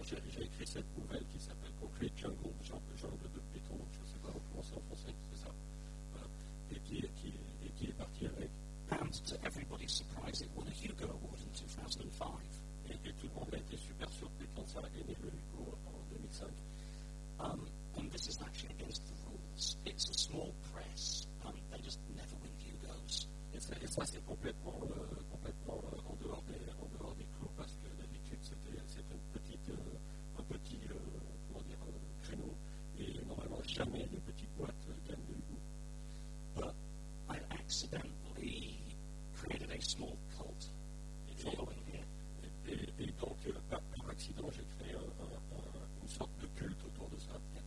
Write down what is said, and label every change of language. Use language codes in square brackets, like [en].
[fr] J'ai écrit cette nouvelle qui s'appelle Concrete Jungle, jungle de béton, je ne sais pas comment c'est en français, c'est ça. Voilà. Et qui est parti avec. [en] And to everybody's surprise, it won a Hugo Award in 2005. [fr] Et tout le monde a été super surpris quand ça a gagné le Hugo en 2005. [en] And this is actually against the rules. It's a small press. They just never win Hugos. [fr] Et ça c'est complètement en dehors des clous, parce que d'habitude c'était un petit créneau, et normalement jamais les petites boîtes gagnent de Hugo. [en] But I accidentally created a small cult following here. [fr] Et donc par accident j'ai créé une sorte de culte autour de ça.